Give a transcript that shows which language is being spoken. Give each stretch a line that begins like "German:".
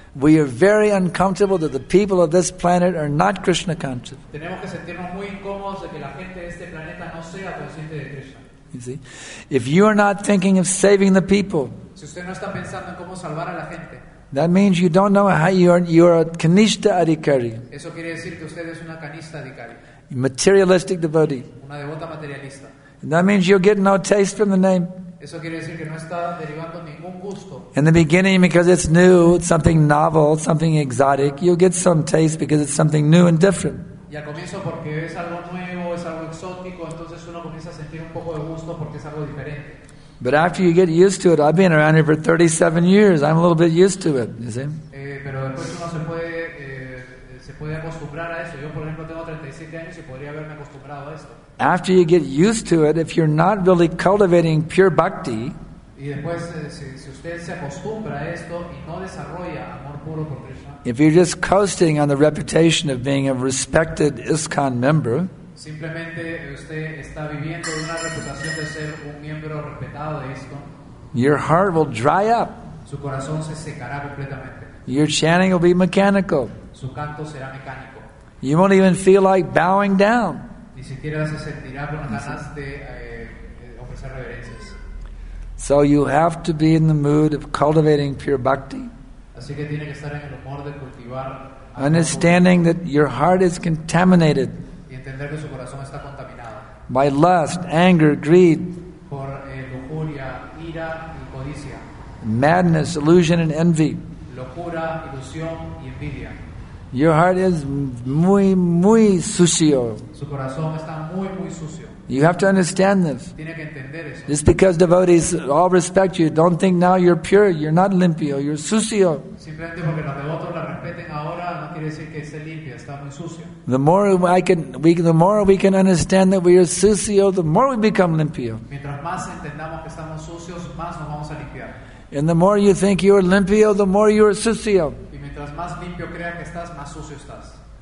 English: We are very uncomfortable that the people of this planet are not Krishna conscious.
Spanish: Tenemos que sentirnos muy incómodos de que la gente de este planeta no sea consciente de Krishna.
English: You see? If you are not thinking of saving the people,
Spanish: si usted no está pensando en cómo salvar a la gente,
English: that means you don't know how you are a Kanishta Adhikari.
Spanish: Eso quiere decir que usted es una Kanishta Adhikari.
English: A materialistic devotee.
Spanish: Una devota materialista.
English: And that means you're getting no taste from the name.
Spanish: Eso quiere decir que no está derivando ningún gusto.
English: In the beginning, because it's new, something novel, something exotic, you'll get some taste because it's something new and different.
Spanish: Y al comienzo porque es algo nuevo, es algo exótico, entonces uno comienza a sentir un poco de gusto porque es algo diferente.
English: But after you get used to it, I've been around here for 37 years, I'm a little bit used to it, you see?
Spanish: Pero después uno se puede acostumbrar a eso. Yo, por ejemplo, tengo 37 años y podría haberme acostumbrado a esto.
English: After you get used to it, if you're not really cultivating pure bhakti, if you're just coasting on the reputation of being a respected ISKCON member,
Spanish: simplemente usted está viviendo una reputación de ser un miembro respetado de ISKCON,
English: your heart will dry up.
Spanish: Su corazón se secará completamente.
English: Your chanting will be mechanical.
Spanish: Su canto será mecánico.
English: You won't even feel like bowing down.
Spanish: Ni siquiera se sentirá con ganas de ofrecer reverencias.
English: So you have to be in the mood of cultivating pure bhakti.
Spanish: Así que tiene que estar en el humor de cultivar.
English: Understanding that your heart is contaminated.
Spanish: Y entender entender que su corazón está contaminado.
English: By lust, anger, greed.
Spanish: Por lujuria, ira y codicia.
English: Madness, illusion and envy.
Spanish: Locura, ilusión y envidia.
English: Your heart is
Spanish: muy, muy sucio. Su corazón está muy, muy sucio.
English: You have to understand this.
Spanish: Tiene que entender eso.
English: Just because devotees all respect you, don't think now you're pure, you're not
Spanish: limpio,
English: you're
Spanish: sucio. Simplemente porque los devotos la respeten ahora, no quiere decir que esté limpio, está muy sucio.
English: The more we can understand that we are
Spanish: sucio,
English: the more we become
Spanish: limpio. Mientras más entendamos que estamos sucios, más nos vamos a limpiar.
English: And the more you think you are
Spanish: limpio,
English: the more you are
Spanish: sucio. Y mientras más limpio creas que estás, más sucio estás.